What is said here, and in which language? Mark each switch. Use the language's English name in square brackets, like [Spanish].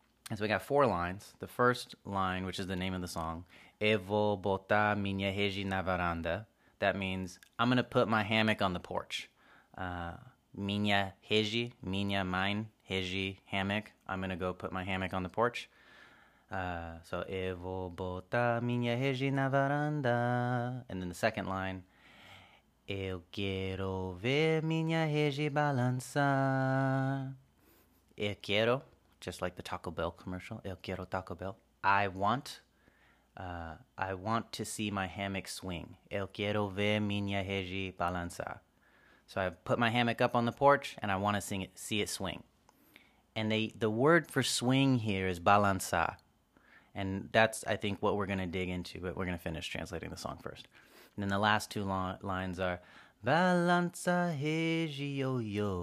[English] And so we got four lines. The first line, which is the name of the song, [Portuguese] Eu vou botar minha rede na varanda. [English] That means I'm going to put my hammock on the porch. [Portuguese] Minha rede, minha [English] mine, rede, hammock. I'm going to go put my hammock on the porch. So, [Portuguese] Eu vou botar minha rede na varanda. [English] And then the second line, [Portuguese] Eu quero ver minha rede balança. Eu quero, [English] just like the Taco Bell commercial, [Portuguese] Eu quero [English] Taco Bell. I want to see my hammock swing. [Portuguese] Eu quero ver minha rede balança. [English] So I put my hammock up on the porch and I want to see it swing. And the word for swing here is balança. And that's, I think, what we're going to dig into, but we're going to finish translating the song first. And then the last two lines are, [Portuguese] Balança heji yo yo.